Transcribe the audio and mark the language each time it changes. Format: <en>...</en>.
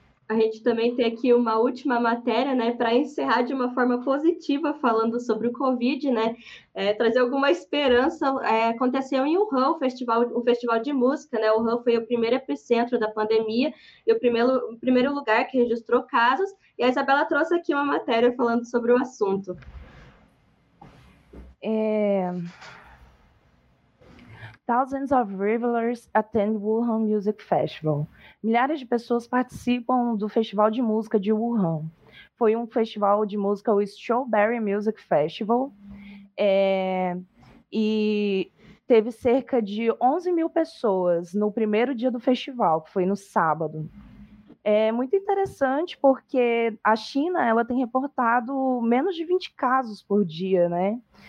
<pt>A gente também tem aqui uma última matéria, né, para encerrar de uma forma positiva, falando sobre o Covid, né, trazer alguma esperança. Aconteceu em Wuhan, o festival de música, né, Wuhan foi o primeiro epicentro da pandemia e o primeiro lugar que registrou casos, e a Isabela trouxe aqui uma matéria falando sobre o assunto.</pt> <en>Thousands of revelers attend Wuhan Music Festival.</en> <pt>Milhares de pessoas participam do Festival de Música de Wuhan. Foi um festival de música, o Strawberry Music Festival, e teve cerca de 11 mil pessoas no primeiro dia do festival, que foi no sábado. É muito interessante porque a China, ela tem reportado menos de 20 casos por dia, né?</pt>